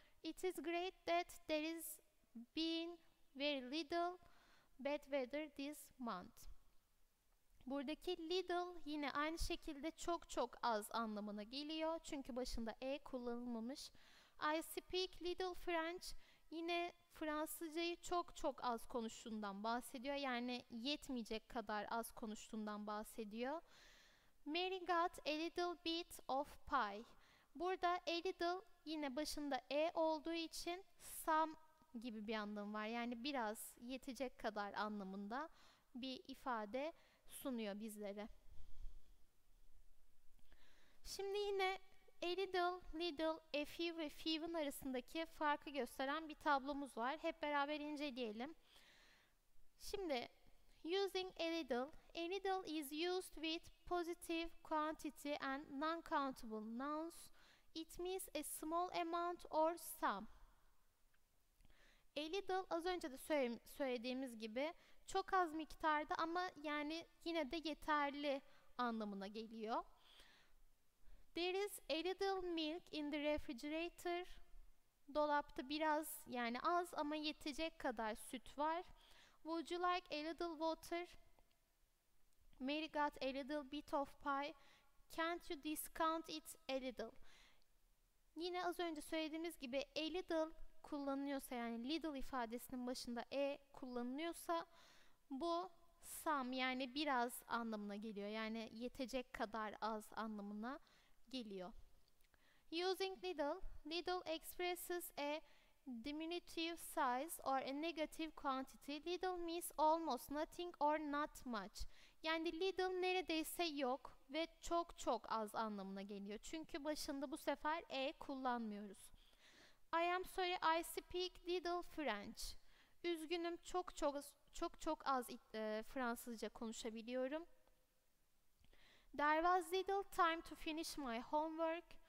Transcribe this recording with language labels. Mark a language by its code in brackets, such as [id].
[en] It is great that there is been very little bad weather this month. [tr] Buradaki little yine aynı şekilde çok çok az anlamına geliyor. Çünkü başında e kullanılmamış. [en] I speak little French. [tr] Yine Fransızcayı çok çok az konuştuğundan bahsediyor. Yani yetmeyecek kadar az konuştuğundan bahsediyor. [en] Mary got a little bit of pie. [tr] Burada a little yine başında e olduğu için some gibi bir anlamı var. Yani biraz yetecek kadar anlamında bir ifade sunuyor bizlere. Şimdi yine a little, little, a few ve few'un arasındaki farkı gösteren bir tablomuz var. Hep beraber inceleyelim. [en] Şimdi using a little is used with positive quantity and non-countable nouns. It means a small amount or some. [tr] A little az önce de söylediğimiz gibi çok az miktarda ama yani yine de yeterli anlamına geliyor. [en] There is a little milk in the refrigerator. [tr] Dolapta biraz yani az ama yetecek kadar süt var. [en] Would you like a little water? Mary got a little bit of pie. Can't you discount it a little? [tr] Yine az önce söylediğimiz gibi a little kullanıyorsa yani little ifadesinin başında e kullanılıyorsa bu Some yani biraz anlamına geliyor. Yani yetecek kadar az anlamına geliyor. [en] Using little, little expresses a diminutive size or a negative quantity. Little means almost nothing or not much. [tr] Yani little neredeyse yok ve çok çok az anlamına geliyor. Çünkü başında bu sefer e kullanmıyoruz. [en] I am sorry, I speak little French. [tr] Üzgünüm, çok çok çok çok az Fransızca konuşabiliyorum. [en] There was little time to finish my homework.